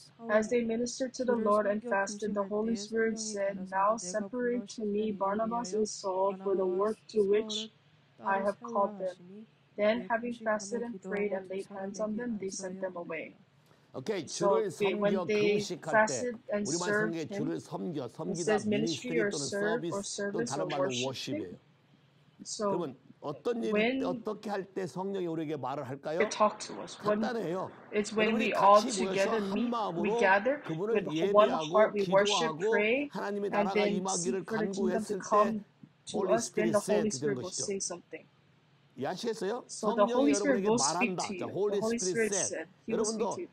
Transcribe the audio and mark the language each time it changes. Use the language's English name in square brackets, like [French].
[English] As they ministered to the Lord and fasted, the Holy Spirit said, Now separate to me Barnabas and Saul for the work to which I have called them. Then, having fasted and prayed and laid hands on them, they sent them away. Okay, so when they fasted and served him, it says ministry or serve or service or worship. [Korean] So, 어떤 일 어떻게 할 때 성령이 우리에게 말을 할까요? 간단해요. [English] It's when we all together meet, we gather, with one heart we worship, pray, and then seek for the kingdom to come to us, then the Holy Spirit will say something. [Korean] 이해하시겠어요? [English] So the Holy Spirit will speak to you. The Holy Spirit said, He will speak to you.